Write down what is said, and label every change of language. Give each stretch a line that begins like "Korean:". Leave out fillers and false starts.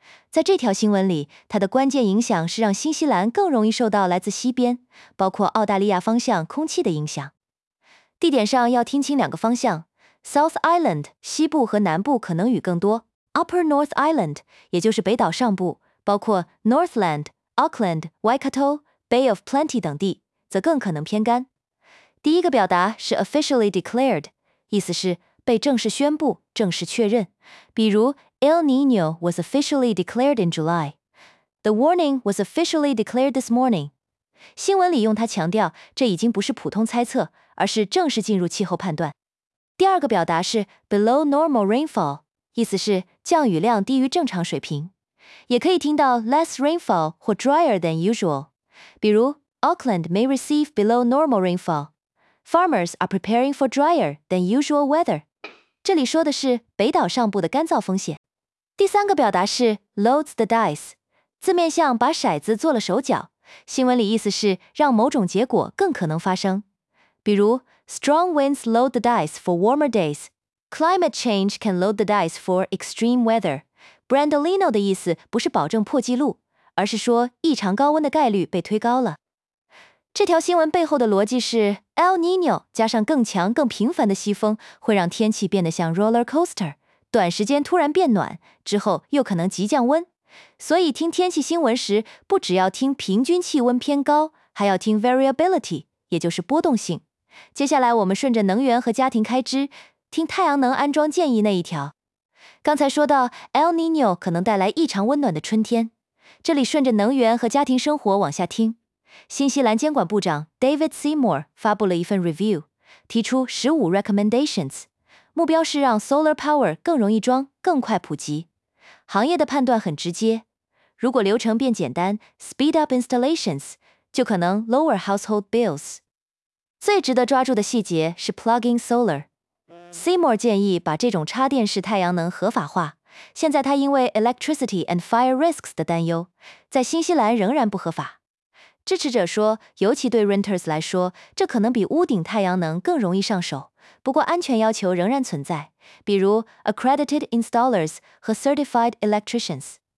Chinese: 在这条新闻里，它的关键影响是让新西兰更容易受到来自西边，包括澳大利亚方向空气的影响。地点上要听清两个方向， South Island 西部和南部可能雨更多， Upper North Island 也就是北岛上部，包括 Northland、 Auckland、 Waikato、 Bay of Plenty 等地，则更可能偏干。第一个表达是
English: officially declared，
Chinese: 意思是被正式宣布、正式确认，比如
English: El Nino was officially declared in July， The warning was officially declared this morning。
Chinese: 新闻里用它强调，这已经不是普通猜测，而是正式进入气候判断。第二个表达是
English: below normal rainfall，
Chinese: 意思是降雨量低于正常水平，也可以听到 less rainfall 或
English: drier than usual，
Chinese: 比如
English: Auckland may receive below normal rainfallFarmers are preparing for drier than usual weather。
Chinese: 这里说的是北岛上部的干燥风险。第三个表达是
English: loads the dice，
Chinese: 字面像把骰子做了手脚，新闻里意思是让某种结果更可能发生，比如
English: strong winds load the dice for warmer days， climate change can load the dice for extreme weather。
Chinese: Brandolino 的意思不是保证破纪录，而是说异常高温的概率被推高了。这条新闻背后的逻辑是 El Nino 加上更强更频繁的西风，会让天气变得像 roller coaster， 短时间突然变暖，之后又可能急降温。所以听天气新闻时，不只要听平均气温偏高，还要听 variability， 也就是波动性。接下来我们顺着能源和家庭开支听太阳能安装建议那一条。刚才说到 El Nino 可能带来异常温暖的春天，这里顺着能源和家庭生活往下听。新西兰监管部长 David Seymour 发布了一份 review， 提出
English: 15 recommendations，
Chinese: 目标是让 solar power 更容易装、更快普及。行业的判断很直接，如果流程变简单，
English: speed up installations，
Chinese: 就可能
English: lower household bills。
Chinese: 最值得抓住的细节是 plug-in solar。Seymour 建议把这种插电式太阳能合法化，现在他因为
English: electricity and fire risks
Chinese: 的担忧，在新西兰仍然不合法。支持者说，尤其对 renters 来说，这可能比屋顶太阳能更容易上手，不过安全要求仍然存在，比如
English: accredited installers
Chinese: 和
English: certified electricians。